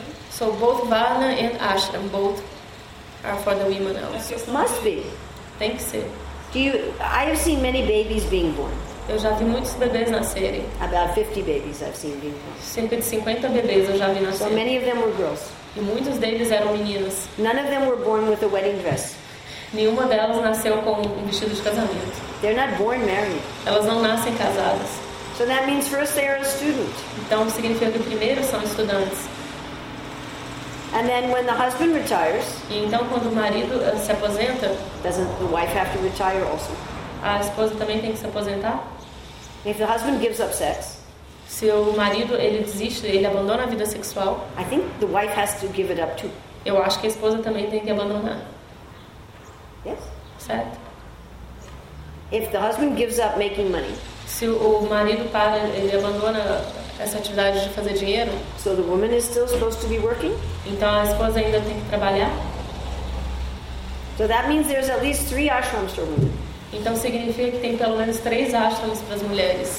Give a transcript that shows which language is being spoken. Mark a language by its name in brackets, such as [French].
[English] so both Varna and Ashram both are for the women also. Must be. Think so. Do you? I have seen many babies being born. [Portuguese] Eu já vi muitos bebês nascerem. [English] About 50 babies I've seen being born. [Portuguese] Cerca de 50 bebês eu já vi nascer. [English] So many of them were girls. [Portuguese] E muitos deles eram meninas. [English] None of them were born with a wedding dress. [Portuguese] Nenhuma delas nasceu com um vestido de casamento. [English] They're not born married. [Portuguese] Elas não nascem casadas. [English] So that means first they are a student. [Portuguese] Então significa que primeiro são estudantes. [English] And then when the husband retires, [Portuguese] e então quando o marido se aposenta, [English] doesn't the wife have to retire also? [Portuguese] A esposa também tem que se aposentar? [English] If the husband gives up sex, [Portuguese] se o marido ele desiste, ele abandona a vida sexual, [English] I think the wife has to give it up too. [Portuguese] Eu acho que a esposa também tem que abandonar. [English] Yes. [Portuguese] Certo. [English] If the husband gives up making money, [Portuguese] se o marido para, ele abandona essa atividade de fazer dinheiro, [English] so the woman is still supposed to be working? [Portuguese] Então a esposa ainda tem que trabalhar? [English] So that means there's at least three ashrams for women. [Portuguese] Então significa que tem pelo menos três ashrams para as mulheres.